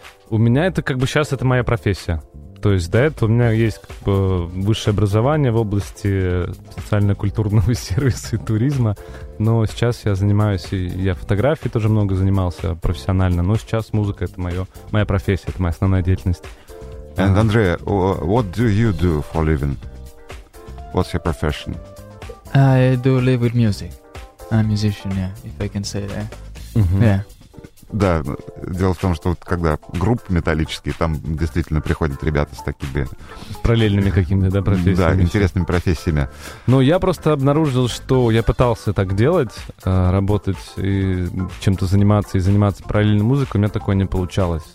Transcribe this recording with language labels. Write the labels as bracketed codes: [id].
[ru] У меня это как бы сейчас это моя профессия. То есть до этого у меня есть как бы высшее образование в области социально-культурного сервиса и туризма. Но сейчас я занимаюсь, я фотографией тоже много занимался профессионально. Но сейчас музыка — это моя профессия, это моя основная деятельность. [en] And Andrea, what do you do for a living? What's your profession? I do live with music. I'm a musician, yeah, if I can say that. Mm-hmm. Yeah. [ru] Да, дело в том, что вот когда группы металлические, там действительно приходят ребята с такими... С параллельными какими-то, да, профессиями. Да, интересными профессиями. Ну, я просто обнаружил, что я пытался так делать, работать и чем-то заниматься, и заниматься параллельной музыкой, у меня такое не получалось.